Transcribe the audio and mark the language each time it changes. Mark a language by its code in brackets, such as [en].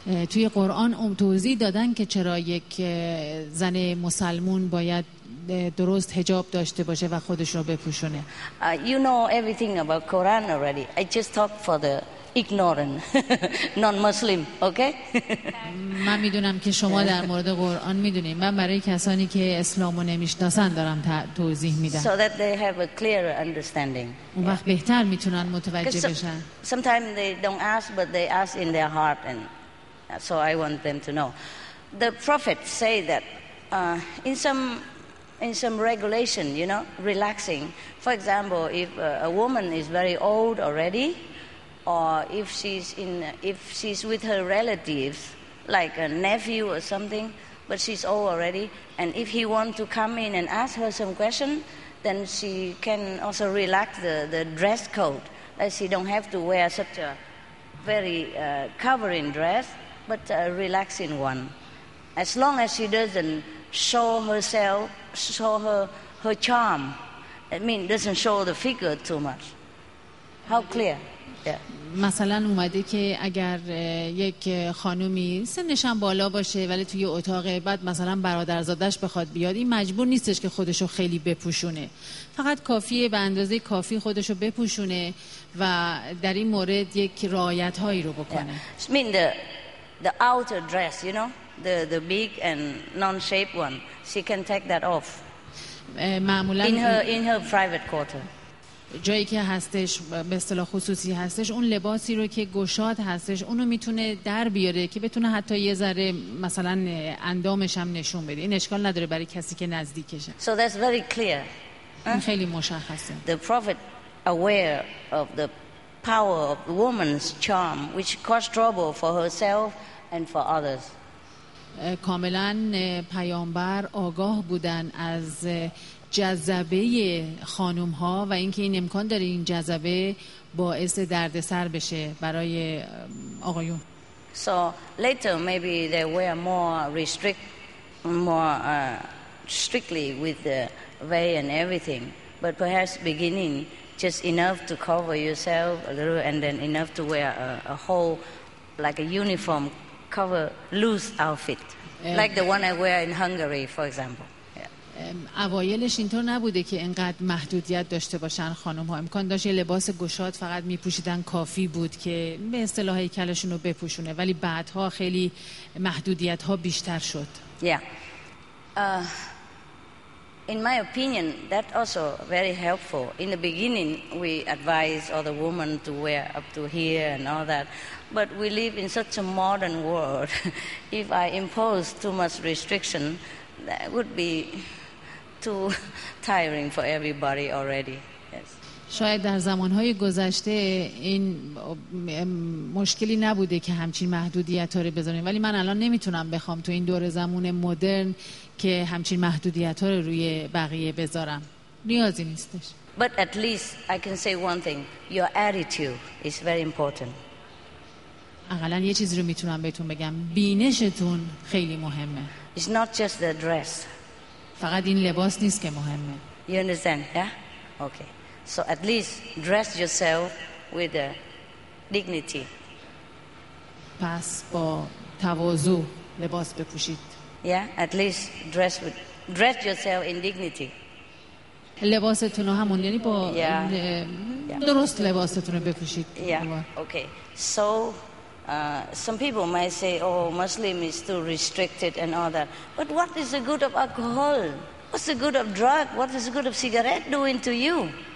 [fa] توی قرآن توضیح دادن که چرا یک زن مسلمون باید درست حجاب داشته باشه و خودش رو بپوشونه. [en] You know everything about Quran already. I just talk for the ignorant non-Muslim, okay? [fa] من میدونم که شما در مورد قرآن میدونید. من برای کسانی که اسلام رو نمیشناسن دارم توضیح میدم. [en] So that they have a clearer understanding. [fa] اون وقت بهتر میتونن متوجه بشن. [en] Sometimes they don't ask but they ask in their heart and so I want them to know. The Prophet say that in some regulation, you know, relaxing. For example, if a woman is very old already, or if she's with her relatives, like a nephew or something, but she's old already, and if he wants to come in and ask her some question, then she can also relax the dress code, that she don't have to wear such a very covering dress, but a relaxing one, as long as she doesn't show her charm. I mean, doesn't show the figure too much. How clear? Yeah. [fa] مثلا اومده که اگر یک خانومی سنش هم بالا باشه ولی توی اتاق بعد مثلا برادرزادش بخواد بیاد، این مجبور نیستش که خودشو خیلی بپوشونه، فقط کافیه به اندازه کافی خودشو بپوشونه و در این مورد یک رعایت هایی رو بکنه. [en] Yeah. I mean the outer dress, you know, the big and non-shaped one, she can take that off in her private quarter. [fa] جایی که هستش به اصطلاح خصوصی هستش، اون لباسی رو که گشاد هستش اونو میتونه در بیاره که بتونه حتی یه ذره مثلا اندامش هم نشون بده، این اشکال نداره برای کسی که نزدیکشه. [en] So that's very clear. [fa] این خیلی مشخصه. [en] The Prophet aware of the power of the woman's charm which caused trouble for herself and for others. [fa] کاملا پیامبر آگاه بودن از جذبه خانوم ها و اینکه این امکان داره این جذبه باعث دردسر بشه برای آقایون. [en] So later maybe they were more strictly with the way and everything, but perhaps beginning just enough to cover yourself a little and then enough to wear a whole like a uniform cover loose outfit like the one I wear in Hungary, for example. [fa] اوایلش اینطور نبوده که اینقدر محدودیت داشته باشن خانم ها، امکان داشت یه لباس گشاد فقط میپوشیدن کافی بود که به اصطلاح هیکلشون رو بپوشونه، ولی بعدها خیلی محدودیت ها بیشتر شد. [en] In my opinion that also very helpful. In the beginning we advise all the women to wear up to here and all that, but we live in such a modern world. If I impose too much restriction that would be too tiring for everybody already. Yes. [fa] شاید در زمان‌های گذشته این مشکلی نبوده که همچین محدودیت‌هایی بذاریم، ولی من الان نمیتونم بخوام تو این دور زمان مدرن که همچین محدودیت‌ها رو روی بقیه بذارم. نیازی نیستش. [en] But at least I can say one thing. Your attitude is very important. [fa] حداقل یه چیزی رو میتونم بهتون بگم. بینشتون خیلی مهمه. [en] It's not just the dress. [fa] فقط این لباس نیست که مهمه. [en] You understand, yeah? Okay. So at least dress yourself with a dignity. [fa] پس با تواضع لباس بپوشید. [en] Yeah, at least dress yourself in dignity. [fa] لباستون رو همون، یعنی با درست لباستون رو بپوشید. [en] Yeah. Okay. So Some people might say, oh, Muslim is too restricted and all that. But what is the good of alcohol? What's the good of drug? What is the good of cigarette doing to you?